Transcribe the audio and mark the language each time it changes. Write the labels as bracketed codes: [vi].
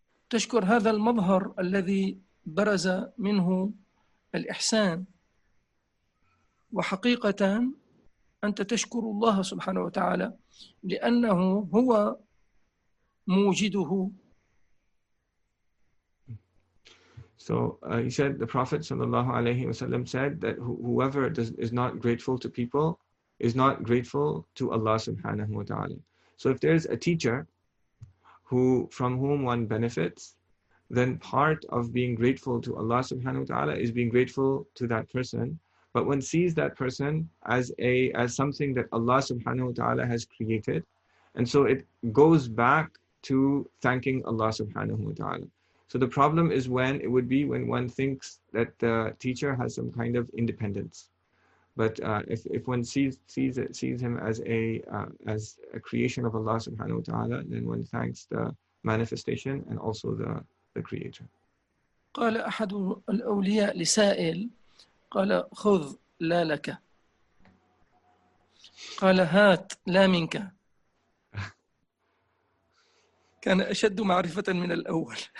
[ar] تشكر هذا المظهر الذي برز منه الإحسان، وحقيقة أنت تشكر الله سبحانه وتعالى لأنه هو موجده. [en] So he said the Prophet sallallahu alaihi wasallam said that whoever is not grateful to people is not grateful to Allah subhanahu wa ta'ala. So if there is a teacher from whom one benefits, then part of being grateful to Allah subhanahu wa ta'ala is being grateful to that person. But one sees that person as something that Allah subhanahu wa ta'ala has created, and so it goes back to thanking Allah subhanahu wa ta'ala. So the problem is when one thinks that the teacher has some kind of independence. But if one sees him as a creation of Allah subhanahu wa ta'ala, then one thanks the manifestation and also the creator. [ar] قال أحد الأولياء لسائل، قال خذ لا لك، قال هات لا منك. كان أشد معرفة من الأول.